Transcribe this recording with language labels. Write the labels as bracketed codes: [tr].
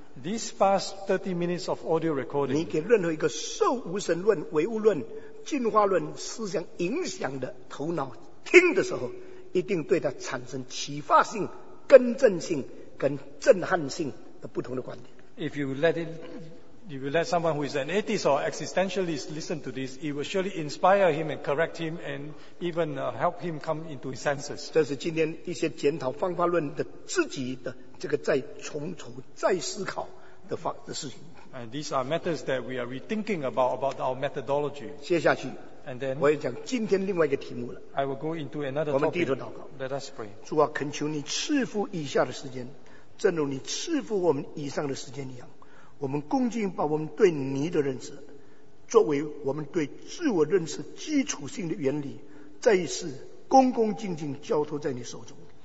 [en] this past 30 minutes of audio recording, [zh] 你给任何一个受无神论、唯物论、进化论思想影响的头脑听的时候，一定对他产生启发性、更正性跟震撼性的不同的观点。 [en] If you let it, if you let someone who is an atheist or existentialist listen to this, it will surely inspire him and correct him and even help him come into his senses. [zh] 这是今天一些检讨方法论的自己的这个再从头再思考的方的事情。 [en] And these are matters that we are rethinking about our methodology. [zh] 接下去。 [en] And then, [zh] 我要讲今天另外一个题目了。 [en] I will go into another topic. [zh] 我们低头祷告。 [en] Let us pray. [zh] 主啊，恳求你赐福以下的时间，正如你赐福我们以上的时间一样，我们恭敬把我们对你的认识，作为我们对自我认识基础性的原理，再一次恭恭敬敬交托在你手中。